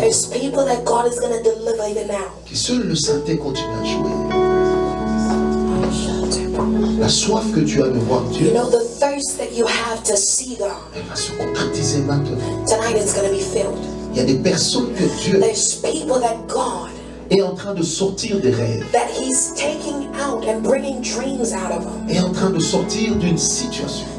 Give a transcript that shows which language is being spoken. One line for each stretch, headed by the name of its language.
English: There's people that God is going to deliver even now.
French: Qui seul le Saint-Esprit continue à jouer. La soif que tu as de voir Dieu.
English: You know the thirst that you have to see God.
French: Elle va se concrétiser maintenant.
English: Tonight it's going to be filled.
French: Il y a des personnes que Dieu.
English: There's people that God.
French: Est en train de sortir des rêves.
English: That he's taking out and bringing dreams out of them.
French: Est en train de sortir d'une situation.